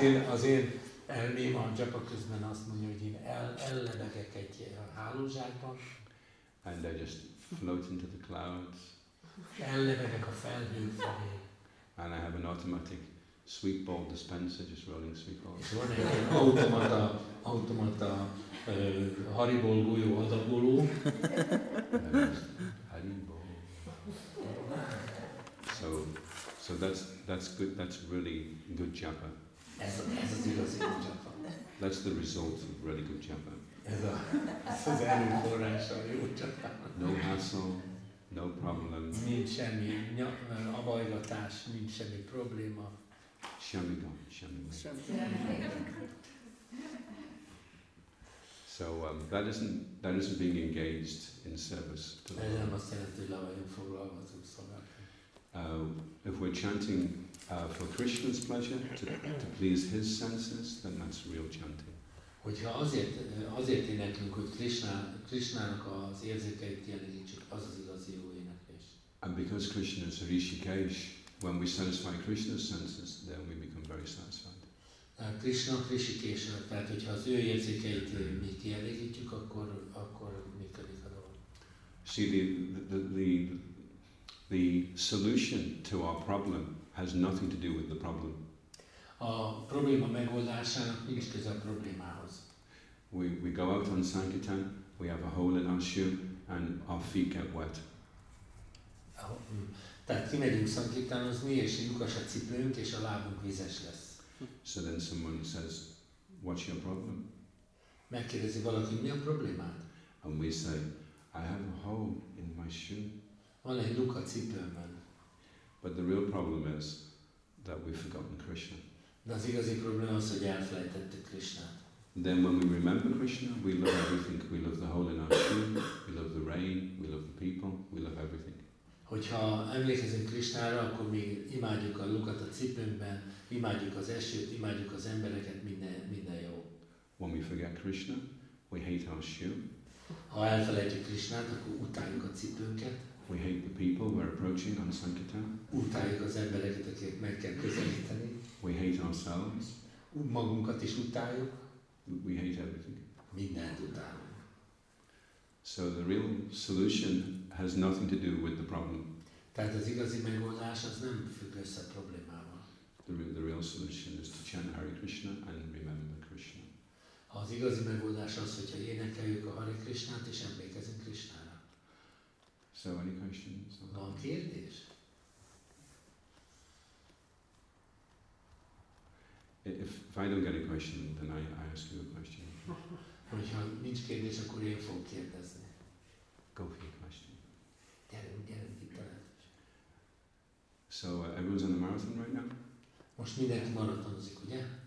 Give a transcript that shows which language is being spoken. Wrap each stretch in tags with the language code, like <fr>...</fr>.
<hu>az én elmém a japa közben azt mondja, hogy én ellebegek egy hálózsákban.</hu> <en>And I just float into the clouds.</en> <hu>Ellebegek a felhő felé.</hu> <en>And I have an automatic sweet ball dispenser, just rolling sweet balls.</en> <hu>És van egy automata Haribol golyó adagoló. Haribol.</hu> <en>So that's really good japa.</en> <hu>Ez az igazi</hu> <en>good japa. That's the result of really good japa.</en> <hu>Ez az előforrása a jó japa.</hu> <en>No hassle. No problem.</en> <hu>Nincs semmi abajlatás, nincs semmi probléma. Semmi gond, semmi gond.</hu> <en>So that isn't being engaged in service to the Lord.</en> <hu>Ez nem azt jelenti, hogy le vagyunk foglalva az Úr szolgálatában.</hu> <en>If we're chanting for Krishna's pleasure, to please his senses, then that's real chanting.</en> <hu>Hogyha azért énekünk, hogy Krishnának az érzékeit kielégítsük, az az igazi jó éneklés.</hu> <en>And because Krishna is Rishikesh, when we satisfy Krishna's senses, then we become very satisfied.</en> <hu>Krishna Rishikesh, tehát hogyha az ő érzékeit mi kielégítjük, akkor működik a dolog.</hu> <en>See, the solution to our problem has nothing to do with the problem.</en> <hu>A probléma megoldásának nincs köze a problémához.</hu> <en>We go out on Sankirtan, we have a hole in our shoe, and our feet get wet.</en> <hu>Tehát kimegyünk Sankirtanozni, és lyukas a cipőnk, és a lábunk vizes lesz.</hu> <en>So then someone says, what's your problem?</en> <hu>Megkérdezi valaki, mi a problémád?</hu> <en>And we say, I have a hole in my shoe.</en> <hu>Van egy lyuk a cipőmben.</hu> <en>But the real problem is that we've forgotten Krishna.</en> <hu>De az igazi probléma az, hogy elfelejtettük Krishnát.</hu> <en>Then when we remember Krishna, we love everything. We love the hole in our shoe, we love the rain, we love the people, we love everything.</en> <hu>Hogyha emlékezünk Krishnára, akkor mi imádjuk a lukat a cipőnkben, imádjuk az esőt, imádjuk az embereket, minden jó.</hu> <en>When we forget Krishna, we hate our shoe.</en> <hu>Ha elfelejtjük Krishnát, akkor utáljuk a cipőnket.</hu> <en>We hate the people we're approaching on Sankirtan.</en> <hu>Utáljuk az embereket, akiket meg kell közelíteni.</hu> <en>We hate ourselves.</en> <hu>Magunkat is utáljuk.</hu> <en>We hate everything.</en> <hu>Mindent utáljuk.</hu> <en>So the real solution has nothing to do with the problem.</en> <hu>Tehát az igazi megoldás az nem függ össze a problémával.</hu> <en>The real solution is to chant Hare Krishna and remember Krishna.</en> <hu>Az igazi megoldás az, hogyha énekeljük a Hare Krishnát és emlékezünk Krishnára.</hu> <en>So any questions?</en> <hu>Van kérdés?</hu> <en>If I don't get a question, then I ask you a question.</en> <hu>Hogyha nincs kérdés, akkor én fogok kérdezni.</hu> <en>Go for your question.</en> <hu>Gyere, gyere.</hu> <en>So everyone's on the marathon right now?</en> <hu>Most mindenki maratonozik, ugye?</hu>